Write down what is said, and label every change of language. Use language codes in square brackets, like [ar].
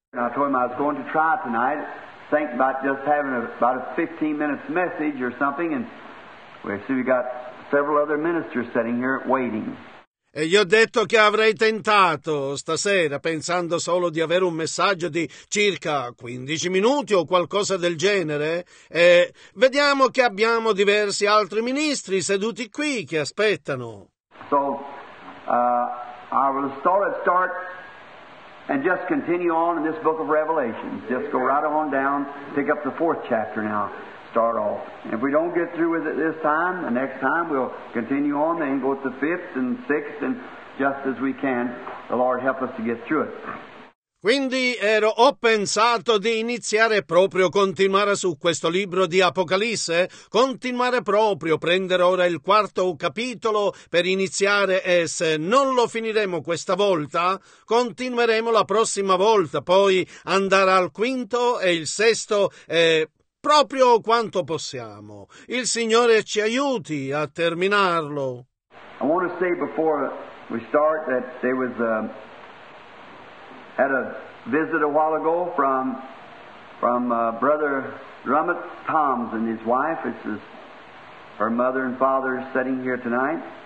[en] I told him I was going to try tonight, think about just having about a 15 minutes message or something, and we'll see if we got several other ministers sitting here waiting. [it] E gli ho detto che avrei tentato stasera, pensando solo di avere un messaggio di circa 15 minuti o qualcosa del genere. E vediamo che abbiamo diversi altri ministri seduti qui che aspettano. [en] So, I will start and just continue on in this book of Revelation. Just go right on down, pick up the 4th chapter now. Start off. And if we don't get through with it this time, the next time we'll continue on and go to 5th and 6th and just as we can, the Lord help us to get through it. [it] Quindi ho pensato di iniziare proprio, continuare su questo libro di Apocalisse, continuare proprio, prendere ora il 4° capitolo per iniziare e se non lo finiremo questa volta, continueremo la prossima volta, poi andare al 5° e il 6° e proprio quanto possiamo. Il Signore ci aiuti a terminarlo. [en] I want to say before we start that there was had a visit a while ago from Brother Drummond Toms and his wife. It's his, her mother and father sitting here tonight.